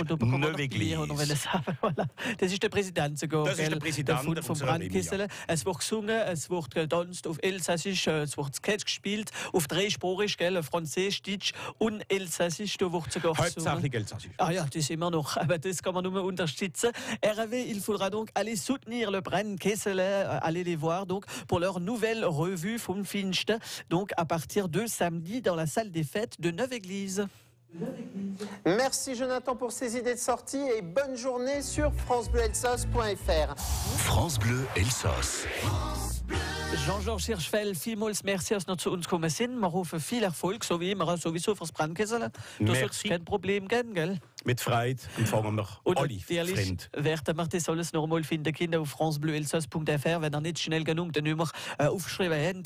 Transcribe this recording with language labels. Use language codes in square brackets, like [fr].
[de] Und da bekommen wir noch Bier, oder wenn es haben. Voilà. Das ist der Präsident sogar. Das ist der Präsident der von Brandkessel. Es wird gesungen, es wird getanzt auf Elsässisch, es wird Sketch gespielt, auf dreisprachig, Französisch, Deutsch und Elsässisch. Da wird sogar gesungen. Hauptsächlich Elsässisch. Ah ja, das immer noch. Aber das kann man nur unterstützen. [fr] RW, il faudra donc aller soutenir le Brandkessel, aller les voir, donc, pour leur nouvelle revue vom Finsten. Donc, à partir de samedi, dans la salle des fêtes, de Neuve-Église. Merci Jonathan pour ces idées de sortie et bonne journée sur francebleuelsass.fr. France Bleu Elsass. [de] Jean-Georges Hirschfeld, vielmals merci, dass ihr zu uns gekommen seid. Wir hoffen viel Erfolg, so wie immer, sowieso fürs Brandkessel. Das merci. Wird kein Problem geben, gell? Mit Freude empfangen wir und alle natürlich fremd. Werden wir das alles noch einmal finden, Kinder, auf francebleuelsass.fr, wenn ihr nicht schnell genug die Nummer aufgeschrieben habt.